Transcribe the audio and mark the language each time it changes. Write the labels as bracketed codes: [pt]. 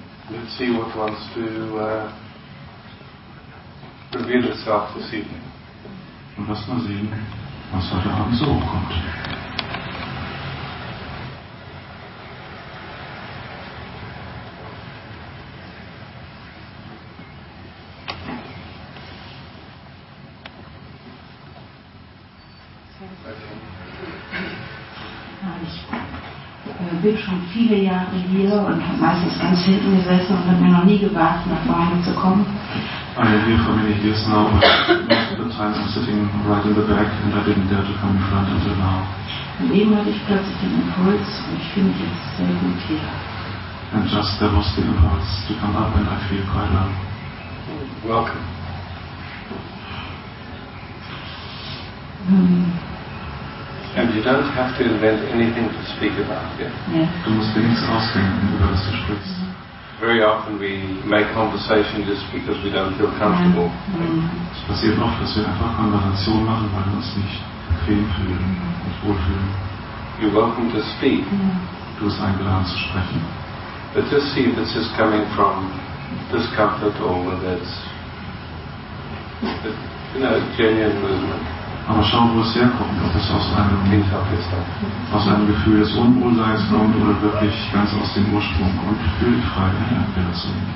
[en] Let's see what wants to reveal itself this evening. [de] Und lasst mal sehen, was heute Abend so hochkommt. Ich bin schon viele Jahre hier und habe meistens ganz hinten gesessen und habe mir noch nie gewagt, nach vorne zu kommen. [en] I'm here for many years now, but most of the time I'm sitting right in the back and I didn't dare to come in front until now. [de] Und eben hatte ich plötzlich den Impuls und ich fühle mich jetzt sehr gut hier. [en] And just there was the impulse to come up and I feel quite well. Welcome. And you don't have to invent anything to speak about, yeah? [de] Du musst dir nichts ausdenken, über das du sprichst. [en] Very often we make conversation just because we don't feel comfortable. [de] Es passiert oft, dass wir einfach Konversation machen, weil wir uns nicht bequem fühlen und wohlfühlen. [en] You're welcome to speak. [de] Du bist eingeladen zu sprechen. [en] But just see if this is coming from discomfort or whether it's, you know, genuine movement. [de] Aber schauen, wo es herkommt, ob es aus einem Gefühl des Unwohlseins kommt oder wirklich ganz aus dem Ursprung. Und fühle dich frei, wenn er das so.